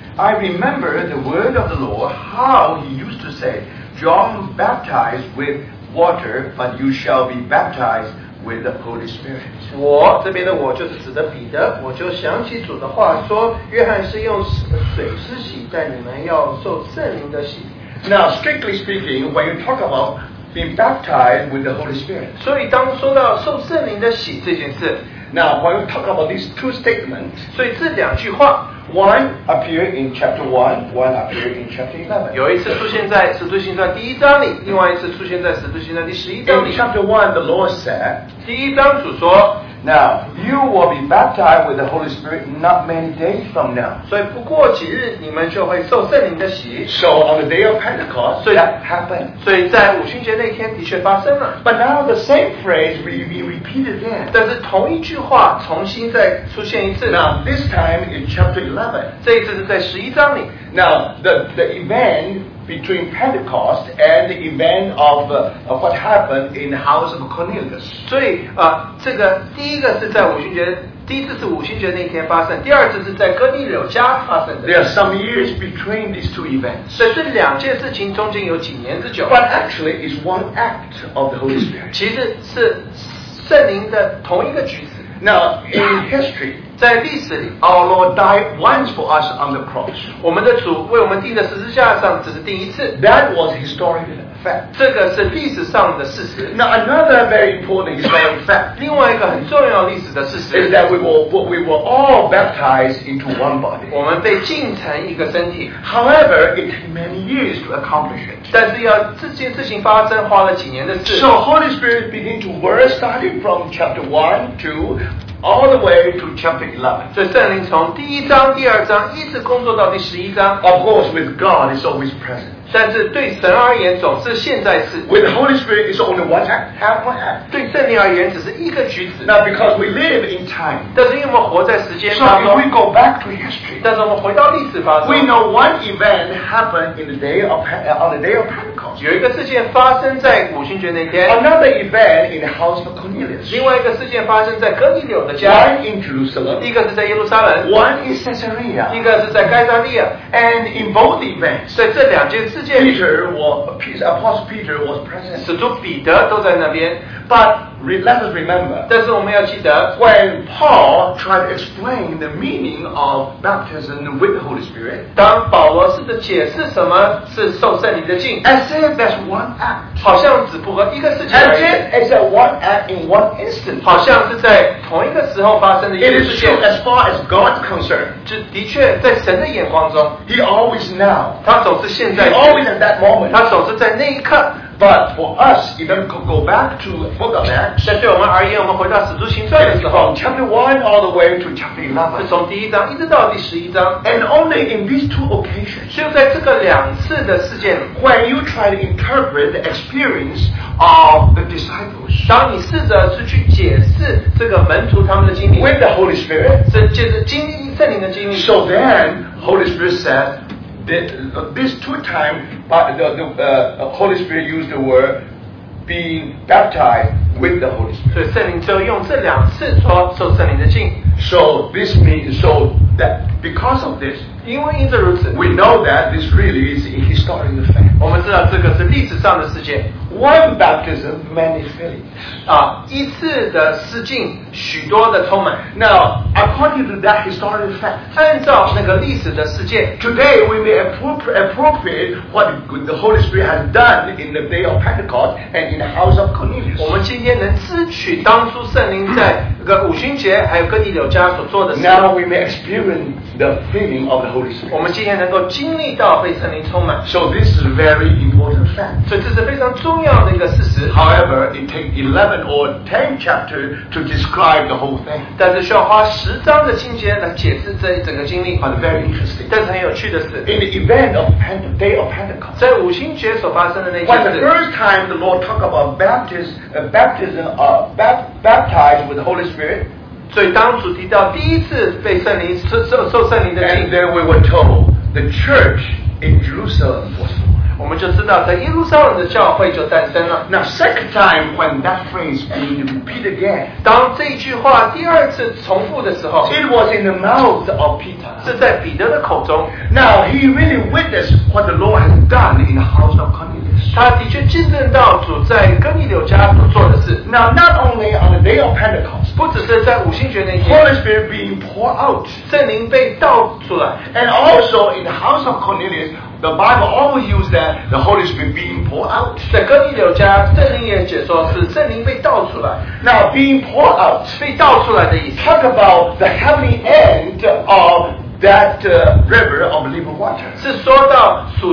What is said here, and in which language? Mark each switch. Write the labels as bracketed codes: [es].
[en] I remember the word of the Lord, how he used to say, John baptized with water, but you shall be baptized with the Holy Spirit. [zh] 我这边的我就是指的彼得，我就想起主的话说，约翰是用水施洗，但你们要受圣灵的洗。 [en] Now, strictly speaking, when you talk about being baptized with the Holy Spirit. [zh] 所以当说到受圣灵的洗这件事。 [en] Now, when we talk about these two statements, [zh] 所以这两句话。 [en] One appear in chapter 1, one appear in chapter 11. [zh] 有一次出现在使徒行传第一章里，另外一次出现在使徒行传第十一章里。 [en] In chapter 1, the Lord said, [zh] 第一章主说， [en] Now, you will be baptized with the Holy Spirit not many days from now. [zh] 所以不过几日你们就会受圣灵的洗。 [en] So on the day of Pentecost, that happened. [zh] 所以在五旬节那天的确发生了。 [en] But now the same phrase will be repeated again. [zh] 但是同一句话重新再出现一次。 [en] Now, this time in chapter 11, [zh] 这一次是在十一章里。 [en] Now the event between Pentecost and the event of what happened in the house of Cornelius. [zh] 所以这个第一个是在五旬节，第一次是五旬节那天发生，第二次是在哥尼流家发生的。 [en] There are some years between these two events. [zh] 所以这两件事情中间有几年之久。 [en] But actually, it's one act of the Holy Spirit. [zh] 其实是圣灵的同一个举止。 [en] Now in history. [zh] 在历史里 [en] ，Our Lord died once for us on the cross. [zh] 我们的主为我们钉在十字架上，只是钉一次。 [en] That was historical fact. [zh] 这个是历史上的事实。 [en] Now another very important historical fact. [zh] 另外一个很重要历史的事实 [en] is that we were all baptized into one body. [zh] 我们被浸成一个身体。 [en] However, it took many years to accomplish it. [zh] 但是要这件事情发生，花了几年的事。 [en] So Holy Spirit began to work starting from chapter 1 to All the way to chapter 11. [zh] 所以圣灵从第一章、第二章一直工作到第十一章。 [en] Of course, with God, it's always present. [zh] 但是对神而言，总是现在是。 [en] With the Holy Spirit, it's only one act, half one act. [zh] 对圣灵而言，只是一个举止。 [en] Now, because we live in time. [zh] 但是因为我们活在时间当中。 [en] So if we go back to history. [zh] 但是我们回到历史发生。 [en] We know one event happened in the day of, on the day of Pentecost. [zh] 有一个事件发生在五旬节那天。 [en] Another event in the house of Cornelius. [zh] 另外一个事件发生在哥尼流的。 [en] One in Jerusalem, [zh] 一个是在耶路撒冷 [en] one in Caesarea, [zh] 一个是在该撒利亚 [en] and in both events, [zh] 所以这两件事件 [en] Peter, Apostle Peter was present, [zh] 使徒彼得都在那边 [en] But let us remember, [zh] 但是我们要记得, [en] when Paul tried to explain the meaning of baptism with the Holy Spirit, [zh] 当保罗试着解释什么是受圣灵的浸, [en] as if that's one act, [zh] 好像只符合一个事情而已, [en] as if it's one act in one instant, [zh] 好像是在同一个时候发生的一个事件, [en] it is true as far as God's concerned, [zh] 就的确在神的眼光中, [en] he always now, [zh] 他总是现在, [en] he always at that moment, [zh] 他总是在那一刻, [en] but for us, even go back to the book of Acts, [zh] 但对我们而言,我们回到使徒行传的时候, [en] from chapter 1 all the way to chapter 11, [zh] 从第一章一直到第十一章, [en] and only in these two occasions, [zh] 就在这个两次的事件, [en] when you try to interpret the experience of the disciples, [zh] 当你试着去解释这个门徒他们的经历, [en] with the Holy Spirit, [zh] 就是经历圣灵的经历, [en] so then, Holy Spirit said, this two times, the Holy Spirit used the word being baptized with the Holy Spirit. [zh] 所以圣灵就用这两次说受圣灵的浸. [en] So this means so that because of this, [zh] 因为因此如此, [en] we know that this really is a historical fact. [zh] 我们知道这个是历史上的事件. [en] One baptism, many fillings. [zh] 一次的施浸, 许多的充满. [en] Now, according to that historical fact, [zh] 按照那个历史的事件, [en] today we may appropriate what the Holy Spirit has done in the day of Pentecost and in the house of Cornelius. [zh] 我们今天能支取当初圣灵在各地柳家所做的事。 [en] Now we may experience the filling of the Holy Spirit. [zh] 我们今天能够经历到被圣灵充满. [en] So this is a very important fact. [zh] 所以这是非常重要的. [en] However, it takes 11 or 10 chapters to describe the whole thing. [zh] 但是需要花十章的情节来解释这整个经历. [en] But very interesting. [zh] 但是很有趣的是, [en] in the event of day of Pentecost, [zh] 在五旬节所发生的那件事, [en] when the first time the Lord talked about baptized with the Holy Spirit, [zh] 所以当主提到第一次被圣灵受圣灵的浸, [en] then we were told the church in Jerusalem was. [zh] 我们就知道在耶路撒冷的教会就诞生了. [en] Now second time when that phrase being repeated again, [zh] 当这句话第二次重复的时候, [en] it was in the mouth of Peter, [zh] 是在彼得的口中. [en] Now he really witnessed what the Lord has done in the house of Cornelius. [zh] 他的确见证到主在哥尼流家所做的事. [en] Now not only on the day of Pentecost, [zh] 不只是在五旬节那天, [en] Holy Spirit being poured out, [zh] 圣灵被倒出来, [en] and also in the house of Cornelius, the Bible always used that the Holy Spirit being poured out. [zh] 在哥尼流家, 圣灵也解说是圣灵被倒出来. [en] Now being poured out, [zh] 被倒出来的意思, [en] talk about the heavenly end of that river of living water.